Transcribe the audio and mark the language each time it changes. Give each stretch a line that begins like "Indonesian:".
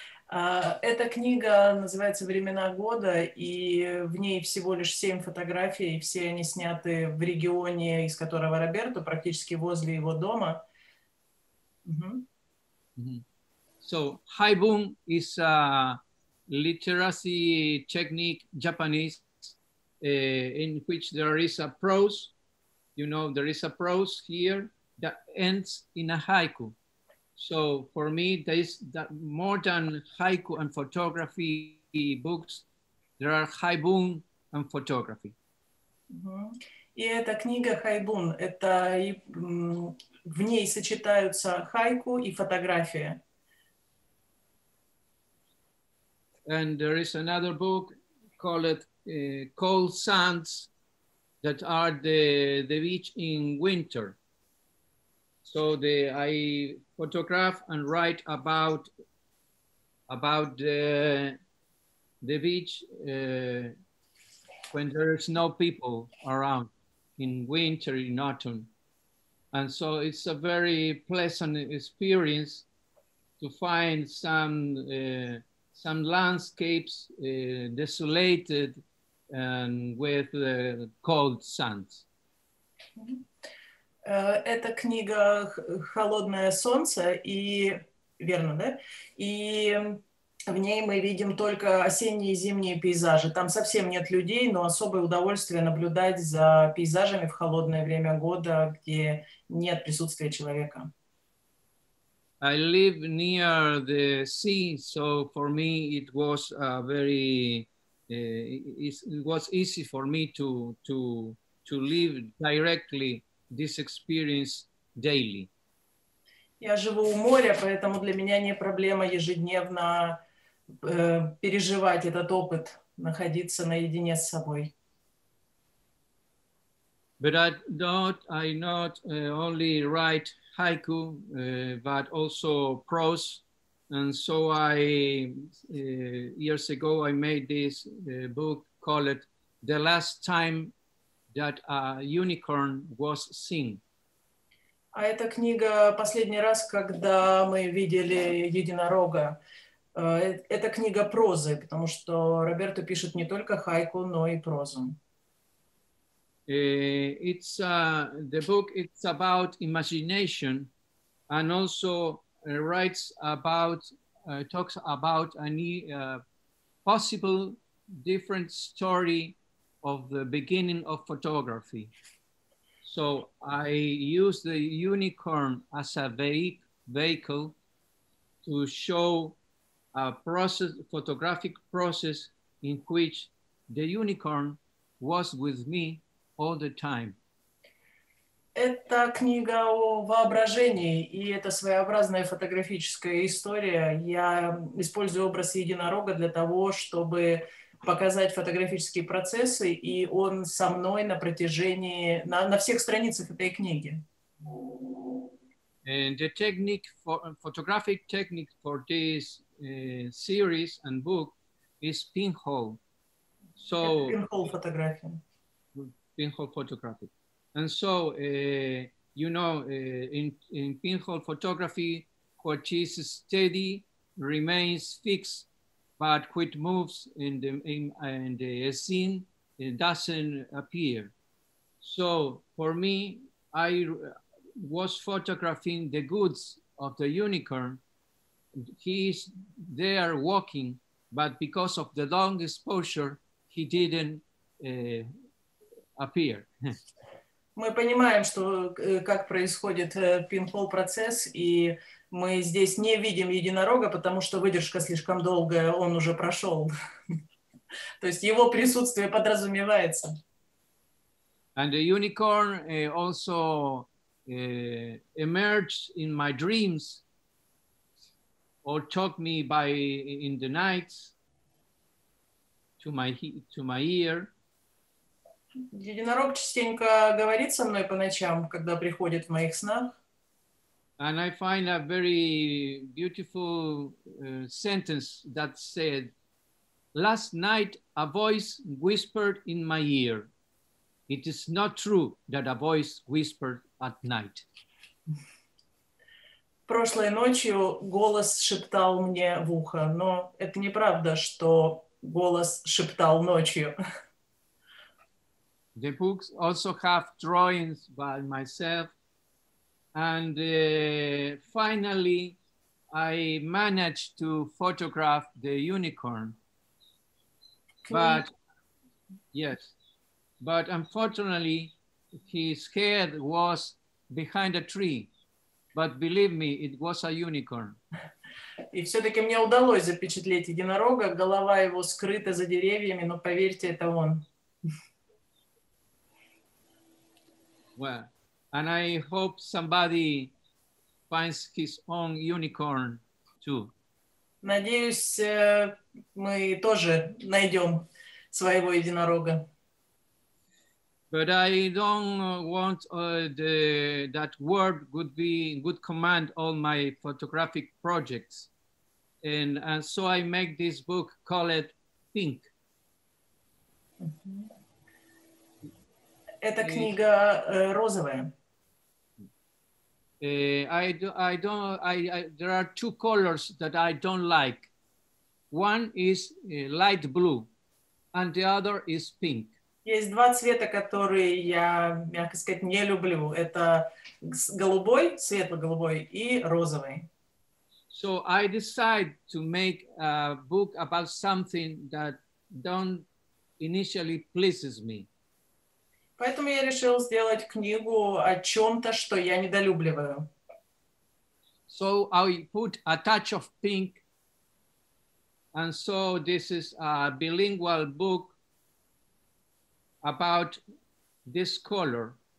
Russian: Эта книга называется «Времена года», и в ней всего лишь 7 фотографий, все они сняты в регионе, из которого Роберто, практически возле его дома.
English: So, haibun is a literacy technique, Japanese, in which there is a prose, you know, there is a prose here that ends in a haiku. So for me, there is that more than haiku and photography books, there are haibun and photography.
Russian: И эта книга haibun, это в ней сочетаются хайку и фотография.
English: And there is another book called Cold Sands, that are the beach in winter. So I photograph and write about the beach when there is no people around in winter, in autumn. And so it's a very pleasant experience to find some landscapes desolated and with the cold sands.
Russian: Это книга «Холодное солнце» и верно, да? И в ней мы видим только осенние и зимние пейзажи. Там совсем нет людей, но особое удовольствие наблюдать за пейзажами в холодное время года, где нет присутствия человека.
English: I live near the sea, so for me it was easy for me to live directly. This experience daily.
Russian: Я живу у моря, поэтому для меня не проблема ежедневно переживать этот опыт, находиться наедине с собой.
English: But I not only write haiku, but also prose, and so I years ago I made this book called The Last Time That a Unicorn Was Seen.
Russian: А эта книга «Последний раз, когда мы видели единорога». Это книга прозы, потому что Роберто пишет не только хайку, но и прозу.
English: It's the book. It's about imagination, and also writes about talks about a new possible different story of the beginning of photography. So I use the unicorn as a vehicle to show a process, photographic process, in which the unicorn was with me all the time.
Russian: Это книга о воображении, и это своеобразная фотографическая история. Я использую образ единорога для того, чтобы показать фотографические процессы, и он со мной на протяжении, на всех страницах этой книги.
English: And the technique for photographic technique for this series and book is pinhole. So pinhole photography. Pinhole photography. And so you know, in pinhole photography, what is steady remains fixed, but what moves in the scene, it doesn't appear. So for me, I was photographing the goods of the unicorn. He is there walking, but because of the long exposure, he didn't appear.
Russian: Мы понимаем, что как происходит пинхол процесс, и мы здесь не видим единорога, потому что выдержка слишком долгая, он уже прошел. То есть его присутствие подразумевается.
English: And the unicorn also emerged in my dreams or took me by in the night to my ear.
Russian: Единорог частенько говорит со мной по ночам, когда приходит в моих снах.
English: And I find a very beautiful sentence that said, last night a voice whispered in my ear. It is not true that a voice whispered at night.
Russian: Прошлой ночью голос шептал мне в ухо, но это неправда, что голос шептал ночью.
English: The books also have drawings by myself. And finally, I managed to photograph the unicorn. But unfortunately, his head was behind a tree. But believe me, it was a unicorn.
Russian: И все-таки мне удалось запечатлеть единорога. Голова его скрыта за деревьями, но поверьте, это он.
English: Well, and I hope somebody finds his own unicorn too.
Russian: Надеюсь, мы тоже найдем своего единорога.
English: But I don't want that word would be would command all my photographic projects, and so I make this book call it Pink.
Russian: Эта книга розовая.
English: There are two colors that I don't like. One is light blue, and the other is pink.
Russian: Есть два цвета, которые я, мягко сказать, не люблю. Это голубой, светло-голубой и розовый.
English: So I decide to make a book about something that don't initially pleases me.
Russian: Поэтому я решил сделать книгу о чем-то, что я недолюбливаю.
English: So I put a touch of pink. And so this is a bilingual book about this color.